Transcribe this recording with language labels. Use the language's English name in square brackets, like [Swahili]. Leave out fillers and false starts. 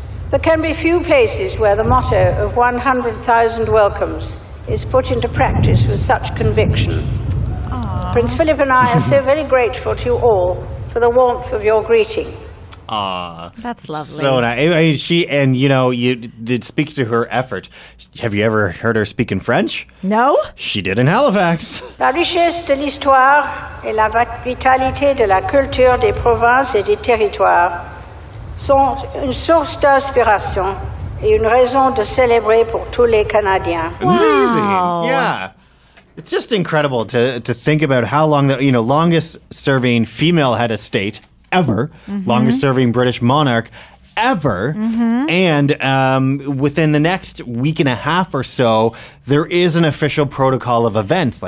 [English] There can be few places where the motto of 100,000 welcomes is put into practice with such conviction. Aww. Prince Philip and I are so very grateful to you all for the warmth of your greeting. Aww. That's lovely. So nice. She, and you know, you did speak to her effort. Have you ever heard her speak in French? No. She did in Halifax. [French] La richesse de l'histoire et la vitalité de la culture des provinces et des territoires sont une source d'inspiration et une raison de célébrer pour tous les Canadiens. [English] Wow. Amazing. Yeah. It's just incredible to think about how long the, you know, longest serving female head of state ever, longest serving British monarch ever, and within the next week and a half or so, there is an official protocol of events.